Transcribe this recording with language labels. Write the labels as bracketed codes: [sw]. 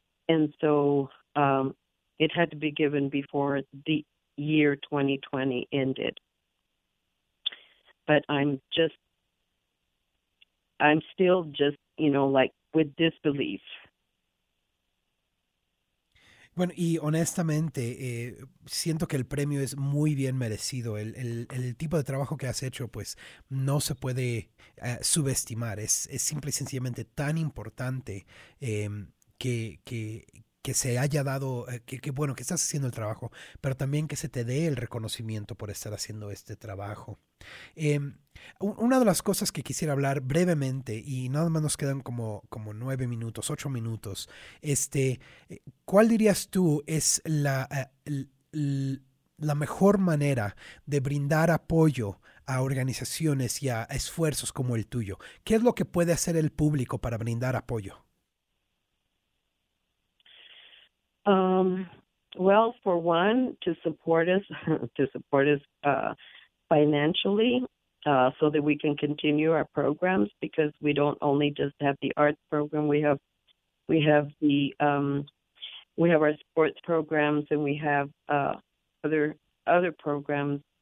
[en] And so it had to be given before the year 2020 ended. But I'm still just, you know, like with disbelief. [es] Bueno, y honestamente, siento que el premio es muy bien merecido. El tipo de trabajo que has hecho, pues, no se puede subestimar. Es simple y sencillamente tan importante que se haya dado, que bueno, que estás haciendo el trabajo, pero también que se te dé el reconocimiento por estar haciendo este trabajo. Una de las cosas que quisiera hablar brevemente, y nada más nos quedan como 9 minutos, 8 minutos, ¿cuál dirías tú es la mejor manera de brindar apoyo a organizaciones y a esfuerzos como el tuyo? ¿Qué es lo que puede hacer el público para brindar apoyo? [en] Well, for one, to support us financially, so that we can continue our programs, because we don't only just have the arts program, we have our sports programs, and we have other programs.